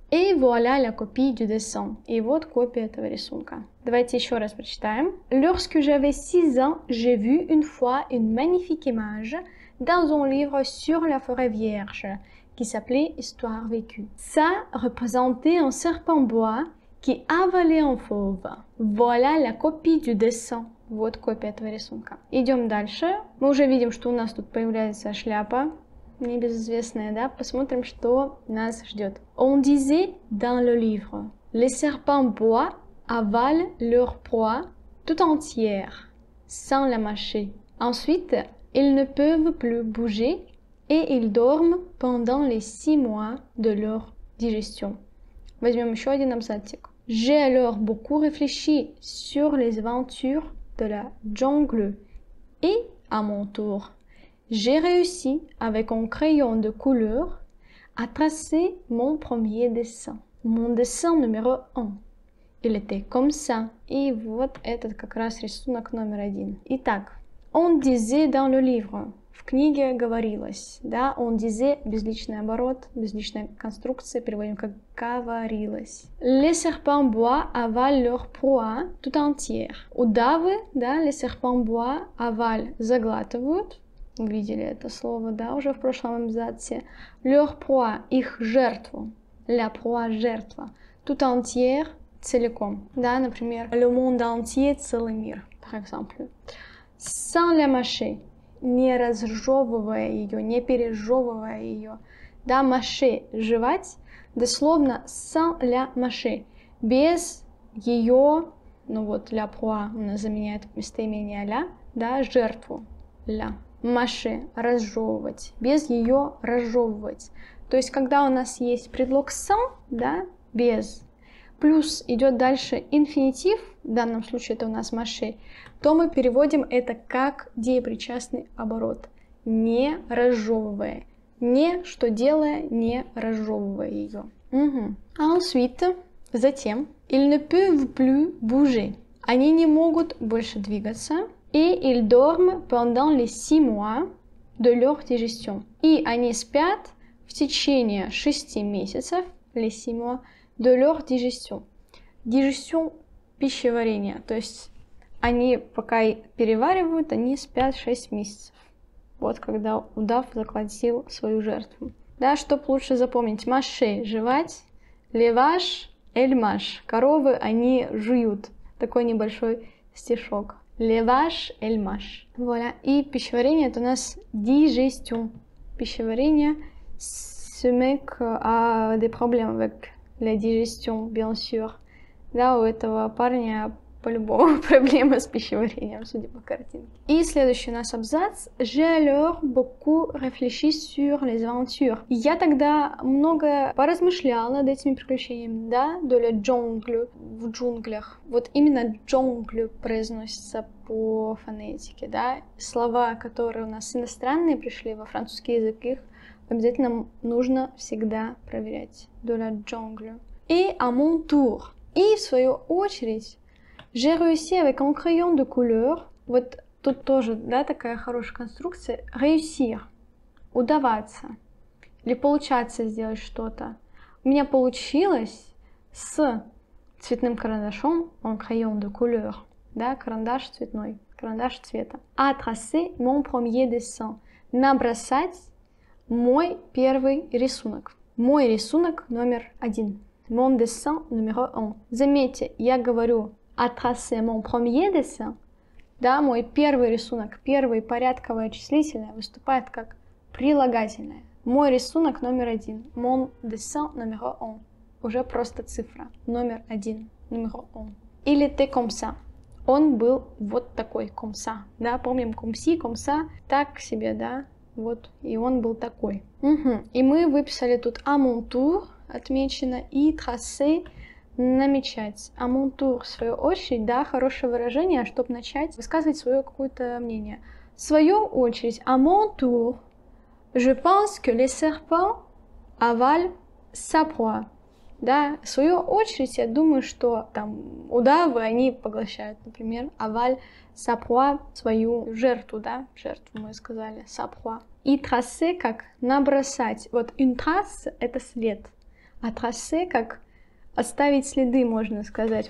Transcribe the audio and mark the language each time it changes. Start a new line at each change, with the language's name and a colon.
French: Et voilà la copie du dessin.
Russian: И вот копия этого рисунка. Давайте еще раз прочитаем.
French: Lorsque j'avais 6 ans, j'ai vu une fois une magnifique image dans un livre sur la forêt vierge qui s'appelait Histoire vécue. Ça représentait un serpent bois qui avalait un fauve. Voilà la copie du dessin.
Russian: Вот копия этого рисунка. Идем дальше. Мы уже видим, что у нас тут появляется шляпа. Небезызвестная, да? Посмотрим, что нас ждет.
French: On disait dans le livre, les serpents bois avalent leur proie tout entière, sans la mâcher. Ensuite, ils ne peuvent plus bouger et ils dorment pendant les 6 mois de leur digestion.
Russian: Возьмем еще один абзац.
French: J'ai alors beaucoup réfléchi sur les aventures de la jungle et, à mon tour, j'ai réussi, avec un crayon de couleur, à tracer mon premier dessin. Mon dessin numéro 1. Il était comme ça. Et
Russian: вот этот как раз рисунок номер один. Итак,
French: on disait dans le livre.
Russian: В книге говорилось. Да,
French: on disait,
Russian: безличный оборот, безличная конструкция, переводим как говорилось.
French: Les serpents bois avalent leur proie tout entière.
Russian: Удавы, да,
French: les serpents bois avalent,
Russian: заглатывают. Видели это слово, да, уже в прошлом абзаце.
French: Leur proie,
Russian: их жертву.
French: La proie,
Russian: жертва.
French: Tout entière,
Russian: целиком. Да, например,
French: le monde entier,
Russian: целый мир,
French: par exemple. Sans la mâcher,
Russian: не разжевывая ее, не пережевывая ее. Да,
French: mâcher,
Russian: жевать, дословно,
French: sans la mâcher,
Russian: без ее, ну вот,
French: la proie,
Russian: она заменяет местоимение la, да, жертву, la. Маше разжевывать, без ее разжевывать. То есть, когда у нас есть предлог
French: sans,
Russian: да, без, плюс идет дальше инфинитив, в данном случае это у нас маше, то мы переводим это как деепричастный оборот. Не разжевывая. Не что делая, не разжевывая ее. Угу.
French: Ensuite,
Russian: затем,
French: ils ne peuvent plus bouger.
Russian: Они не могут больше двигаться.
French: Et ils dorment pendant les 6 mois de leur digestion.
Russian: И они спят в течение 6 месяцев,
French: les 6 mois, de leur digestion. Digestion,
Russian: пищеварение. То есть они пока переваривают, они спят 6 месяцев. Вот когда удав заклотил свою жертву. Да, чтоб лучше запомнить.
French: Маше – жевать. Леваш – эльмаш.
Russian: Коровы, они жуют. Такой небольшой стишок.
French: Леваш, эльмаш. Voilà.
Russian: И пищеварение, это у нас
French: digestion.
Russian: Пищеварение,
French: ce mec a des problèmes avec la digestion, bien sûr.
Russian: Да, у этого парня по-любому проблемы с пищеварением, судя по картинке. И следующий у нас абзац.
French: J'ai alors beaucoup réfléchi sur les aventures.
Russian: Я тогда много поразмышлял над этими приключениями, да,
French: de la jungle,
Russian: в джунглях. Вот именно jungle произносится по фонетике, да. Слова, которые у нас иностранные пришли во французский язык, их обязательно нужно всегда проверять.
French: De la jungle. Et à mon tour.
Russian: И в свою очередь,
French: j'ai réussi avec un crayon de couleur.
Russian: Вот тут тоже, да, такая хорошая конструкция.
French: Réussir.
Russian: Удаваться. Или получаться сделать что-то. У меня получилось с цветным карандашом.
French: Un crayon de couleur.
Russian: Да, карандаш цветной. Карандаш цвета.
French: À tracer mon premier dessin.
Russian: Набросать мой первый рисунок. Мой рисунок номер один.
French: Mon dessin numéro un.
Russian: Заметьте, я говорю
French: à tracer mon premier dessin,
Russian: да, мой первый рисунок, первый порядковое числительное выступает как прилагательное. Мой рисунок номер один,
French: mon dessin numéro un,
Russian: уже просто цифра, номер один,
French: numéro un.
Russian: Или ты
French: comme ça,
Russian: он был вот такой, comme ça, да, помним
French: comme si, comme ça,
Russian: так себе, да, вот, и он был такой. Угу. И мы выписали тут
French: à mon tour,
Russian: отмечено, и
French: tracer,
Russian: намечать. А
French: mon tour,
Russian: в свою очередь, да, хорошее выражение, чтобы начать высказывать свое какое-то мнение. В свою очередь,
French: à mon tour, je pense que les serpents avalent sa proie.
Russian: Да, в свою очередь, я думаю, что там удавы, они поглощают, например,
French: avalent sa proie,
Russian: свою жертву, да, жертву мы сказали,
French: sa proie.
Russian: И
French: tracer,
Russian: как набросать. Вот
French: une trace,
Russian: это след. А
French: tracer,
Russian: как оставить следы, можно сказать.